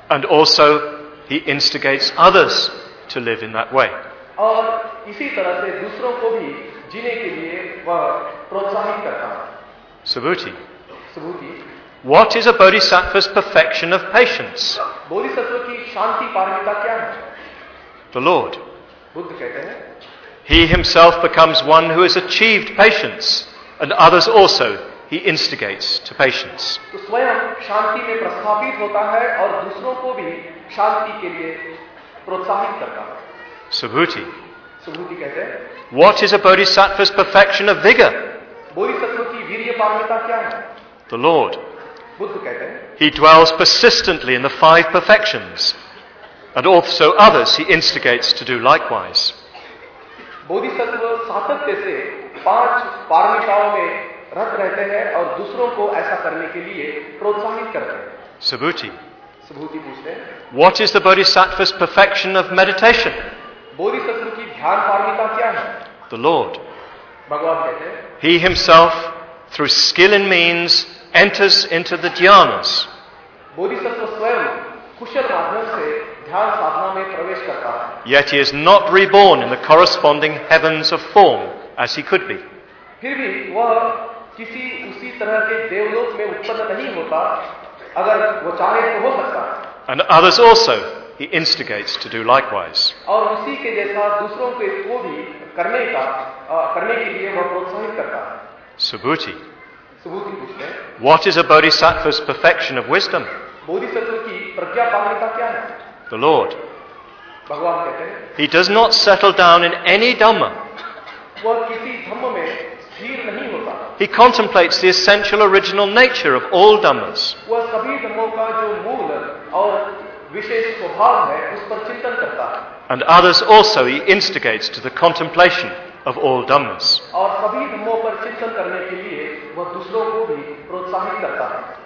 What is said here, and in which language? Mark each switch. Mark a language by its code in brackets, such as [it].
[en] And also he instigates others to live in that way. [hi] और इसी तरह से दूसरों को भी जीने के लिए वह प्रोत्साहित करता है. [en] Subhuti. [hi] Subhuti. [en] What is a bodhisattva's perfection of patience? [hi] Bodhisattva की शांति पारमिता क्या है? [en] The Lord. [hi] Buddha कहते हैं, [en] he himself becomes one who has achieved patience, and others also he instigates to patience. [hi] तो स्वयं शांति में प्रस्थापित होता है और दूसरों को भी शांति के लिए प्रोत्साहित करता है. [en] Subhuti. [hi] Subhuti कहते हैं, [en] what is a bodhisattva's perfection of vigor? [hi] Bodhisattva की वीर्य पारमिता क्या है? [en] The Lord. [hi] Buddha कहते हैं, [en] he dwells persistently in the five perfections. And also others he instigates to do likewise. [hi] Bodhisattva सातत्य से पांच पारमिताओं में रत रहते हैं और दूसरों को ऐसा करने के लिए प्रोत्साहित करते हैं. [en] Subhuti. [hi] Subhuti पूछते हैं, [en] what is the bodhisattva's perfection of meditation? [hi] Bodhisattva की ध्यान पारमिता क्या है? [en] The Lord. [hi] भगवान कहते हैं, [en] he himself through skill and means enters into the dhyanas. [hi] Bodhisattva स्वयं कुशल माध्यम से ध्यान साधना में प्रवेश करता है. [en] Yet he is not reborn in the corresponding heavens of form as he could be. [hi] फिर भी वह किसी उसी तरह के देवलोक में उत्पन्न नहीं होता अगर वो चाहे तो हो सकता. [en] And others also he instigates to do likewise. [hi] और उसी के जैसा दूसरों को वो भी करने का करने के लिए वह प्रोत्साहित करता है. [en] Subhuti. [hi] Subhuti पूछते हैं, [en] what is a bodhisattva's perfection of wisdom? [hi] Bodhisattva की प्रज्ञा पारमिता क्या है? [en] The Lord. [hi] भगवान कहते हैं, [en] he does not settle down in any dhamma. [hi] वह किसी धर्म में स्थिर नहीं होता. [en] He contemplates the essential original nature of all dhammas. [hi] वह सभी धर्मों का जो मूल और विशेष स्वभाव है उस पर चिंतन करता है. [en] And others also he instigates to the contemplation of all dhammas. [hi] और सभी धर्मों पर चिंतन करने के लिए वह दूसरों को भी प्रोत्साहित करता है.